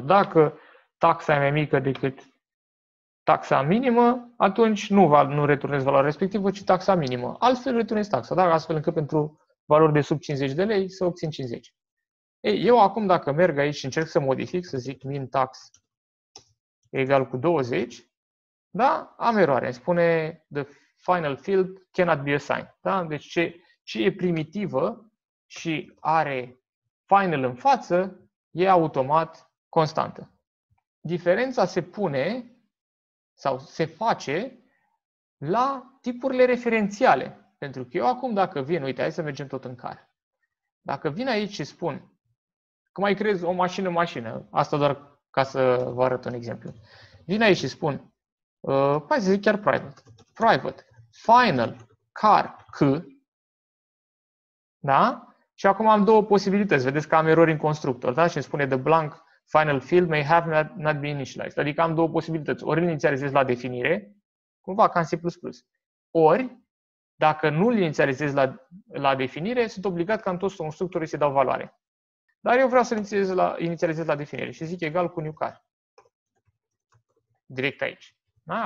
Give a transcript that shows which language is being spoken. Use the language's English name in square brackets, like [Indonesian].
[Romanian] Dacă taxa e mai mică decât taxa minimă, atunci nu returnezi valoarea respectivă, ci taxa minimă. Altfel returnezi taxa, da? Astfel încât pentru valori de sub 50 de lei să obțin 50. Ei, eu acum dacă merg aici și încerc să modific, să zic min tax egal cu 20, da? Am eroare. Spune [English] the final field cannot be assigned. [Romanian] Da? Deci ce e primitivă și are final în față, e automat constantă. Diferența se pune sau se face la tipurile referențiale. Pentru că eu acum dacă vin, uite, hai să mergem tot în car. Dacă vin aici și spun că mai creez o mașină-mașină, asta doar ca să vă arăt un exemplu. Vin aici și spun, hai să zic chiar private. Private, final, car, c. Da? Și acum am două posibilități. Vedeți că am erori în constructor, da? Și îmi spune [English] the blank final field may have not been initialized. [Romanian] Adică am două posibilități. Ori îl inițializez la definire, cumva ca în C++. Ori, dacă nu îl inițializez la definire, sunt obligat ca în toți constructorii să-i dau valoare. Dar eu vreau să-l inițializez la definire și zic egal cu new car. Direct aici. Da?